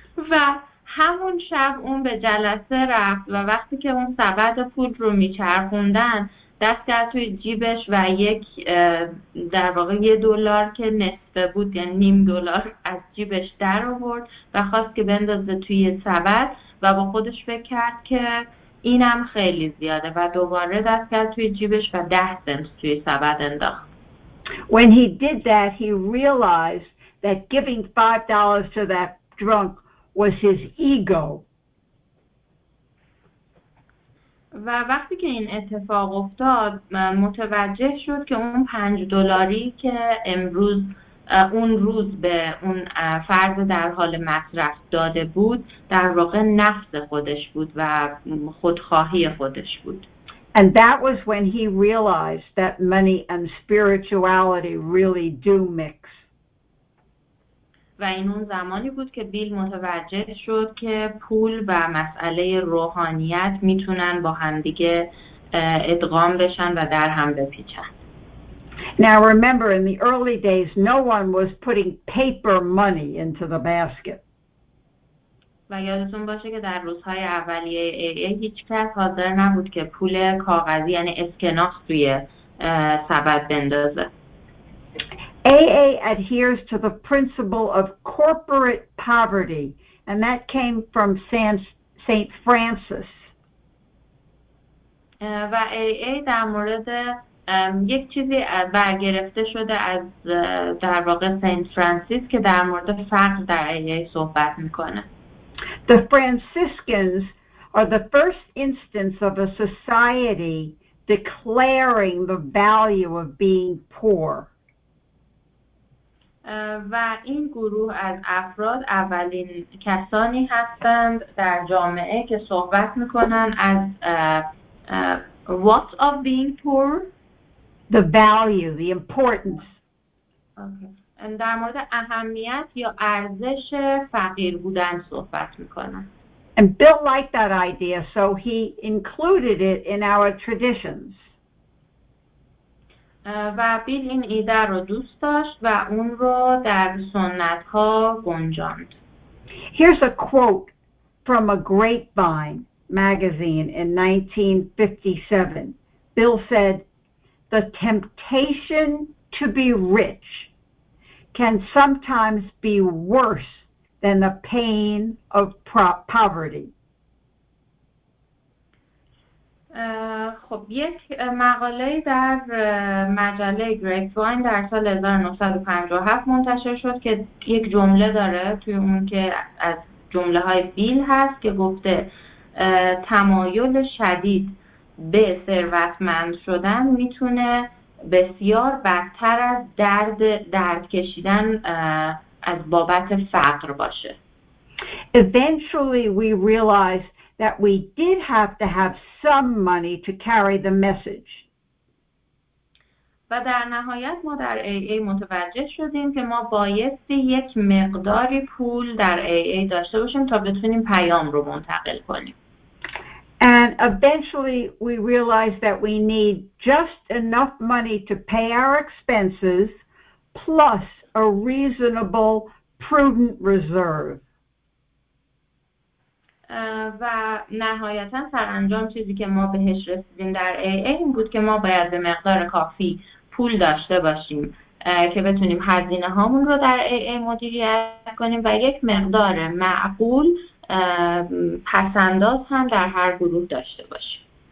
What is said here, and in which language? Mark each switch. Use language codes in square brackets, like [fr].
[fa] و همون شب اون به جلسه رفت و وقتی که اون سبد پول رو میچرخوندن دست کرد توی جیبش و در واقع $1 که نصفه بود یعنی $0.5 از جیبش در آورد و خواست که بندازه توی سبد و با خودش فکر کرد که اینم خیلی زیاده و دوباره دست کرد توی جیبش و 10 سنت توی سبد انداخت. [en] When he did that, he realized that giving $5 to that drunk was his ego. [fa] و وقتی که این اتفاق افتاد متوجه شد که اون $5 که امروز اون روز به اون فرد در حال مصرف داده بود در واقع نفس خودش بود و خودخواهی خودش بود. [en] And that was when he realized that money and spirituality really do mix. [fa] و این اون زمانی بود که بیل متوجه شد که پول و مسئله روحانیت میتونن با همدیگه ادغام بشن و در هم بپیچن. [en] Now remember in the early days no one was putting paper money into the basket. [fa] و یادتون باشه که در روزهای اولیه AA هیچ کس حاضر نبود که پول کاغذی یعنی اسکناس توی سبد بندازه. [en] AA adheres to the principle of corporate poverty, and that came from Saint Francis. [fa] و AA در مورد یک چیزی برگرفته شده از در واقع سنت فرانسیس که در مورد فقر در AA صحبت میکنه. [en] The Franciscans are the first instance of a society declaring the value of being poor. [fa] و این گروه از افراد اولین کسانی هستند در جامعه که صحبت میکنن از [en] what of being poor? The value, the importance. Okay. [fa] در مورد اهمیت یا ارزش فقیر بودن صحبت میکنن. [en] And Bill liked that idea, so he included it in our traditions. [fa] و بیل این ایده رو دوست داشت و اون رو در سنت ها گنجاند. [en] Here's a quote from a Grapevine magazine in 1957. Bill said, "The temptation to be rich can sometimes be worse than the pain of poverty." [fa] خب یک مقاله در مجله گریپ‌واین در سال 1957 منتشر شد که یک جمله داره توی اون که از جمله های بیل هست که گفته تمایل شدید به ثروتمند شدن میتونه بسیار بدتر از درد کشیدن از بابت فقر باشه. [en] Eventually we realized that we did have to have some money to carry the message. [fa] و در نهایت ما در AA متوجه شدیم که ما بایستی یک مقداری پول در AA داشته باشیم تا بتونیم پیام رو منتقل کنیم. [en] And eventually we realized that we need just enough money to pay our expenses plus a reasonable, prudent reserve. [fa] و نهایتا سرانجام چیزی که ما بهش رسیدیم در AA این بود که ما باید به مقدار کافی پول داشته باشیم که بتونیم هزینه هامون رو در AA مدیریت کنیم و یک مقدار معقول پسنداز هم در هر گروه داشته باشیم.